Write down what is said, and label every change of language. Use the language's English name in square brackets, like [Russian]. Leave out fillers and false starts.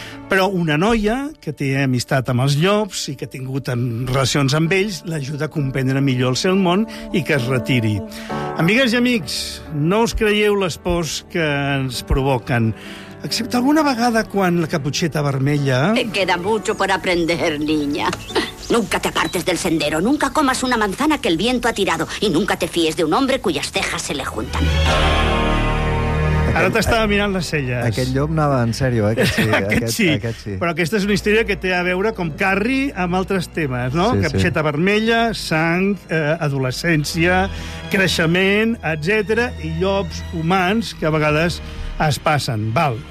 [Catalan] Però una noia que té amistat amb els llops i que ha tingut relacions amb ells l'ajuda a comprendre millor el seu món i que es retiri. Amigues i amics, no us creieu les pors que ens provoquen. Excepte alguna vegada quan la caputxeta vermella... [Spanish] Te queda mucho por aprender, niña. Nunca te apartes del sendero, nunca comas una manzana que el viento ha tirado y nunca te fíes de un hombre cuyas cejas se le juntan. [Catalan] Ara t'estava mirant les celles. Aquest llop anava en sèrio, eh? Aquest sí. Però aquesta és una història que té a veure com Carrie amb altres temes, no? Sí, caputxeta vermella, sang, adolescència, creixement, etc. I llops humans que a vegades es passen. Val.